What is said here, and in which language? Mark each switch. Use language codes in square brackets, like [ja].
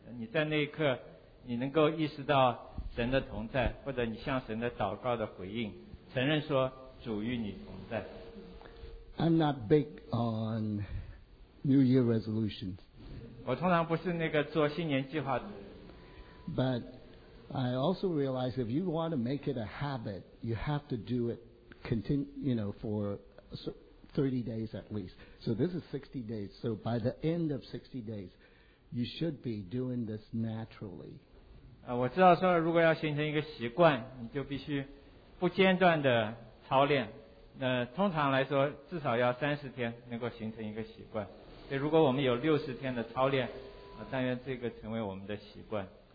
[zh] 你在那一刻你能够意识到神的同在，或者你向神的祷告的回应，承认说主与你同在。 [en] I'm not big on New Year resolutions. [zh] 我通常不是那个做新年计划的。 [en] But I also realize if you want to make it a habit, you have to do it for 30 days at least. So this is 60 days. So by the end of 60 days,You should be doing this naturally. [zh] 我知道说如果要形成一个习惯，你就必须不间断的操练。那通常来说，至少要30天能够形成一个习惯。所以如果我们有60天的操练，但愿这个成为我们的习惯。